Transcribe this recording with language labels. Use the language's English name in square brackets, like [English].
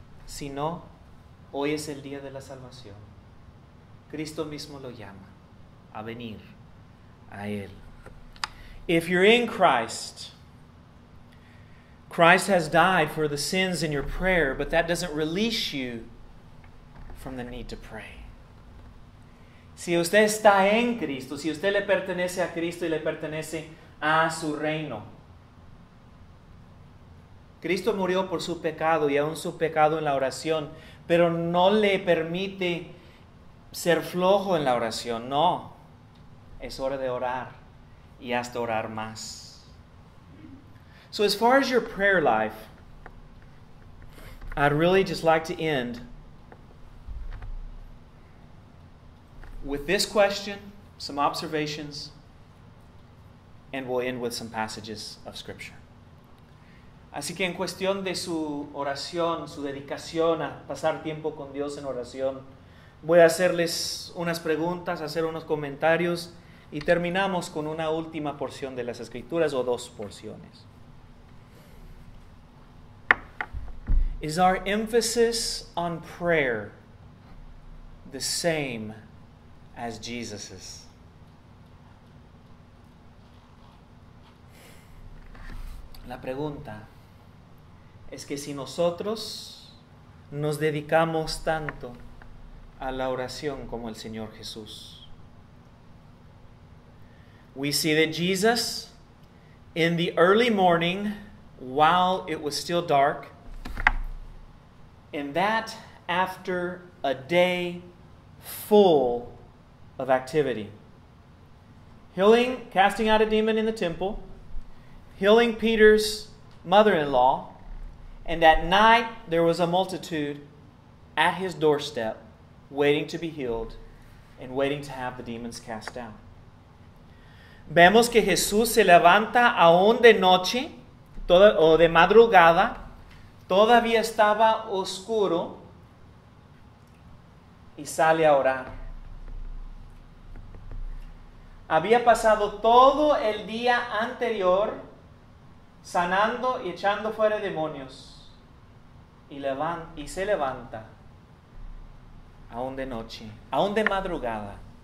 [Spanish] Si no, hoy es el día de la salvación. Cristo mismo lo llama a venir a Él. [English] If you're in Christ, Christ has died for the sins in your prayer, but that doesn't release you from the need to pray. [Spanish] Si usted está en Cristo, si usted le pertenece a Cristo y le pertenece a su reino, Cristo murió por su pecado y aún su pecado en la oración, pero no le permite ser flojo en la oración. No, es hora de orar y hasta orar más. [English] So as far as your prayer life, I'd really just like to end with this question, some observations, and we'll end with some passages of Scripture. [Spanish] Así que en cuestión de su oración, su dedicación a pasar tiempo con Dios en oración, voy a hacerles unas preguntas, hacer unos comentarios, y terminamos con una última porción de las Escrituras, o dos porciones. [English] Is our emphasis on prayer the same as Jesus's? [Spanish] La pregunta es que si nosotros nos dedicamos tanto a la oración como el Señor Jesús. [English] We see that Jesus, in the early morning, while it was still dark, and that after a day full of activity, healing, casting out a demon in the temple, healing Peter's mother-in-law, and at night there was a multitude at his doorstep waiting to be healed and waiting to have the demons cast out. [Spanish] Vemos que Jesús se levanta aún de noche, o de madrugada, todavía estaba oscuro y sale a orar. Había pasado todo el día anterior sanando y echando fuera demonios y se levanta aún de noche, aún de madrugada.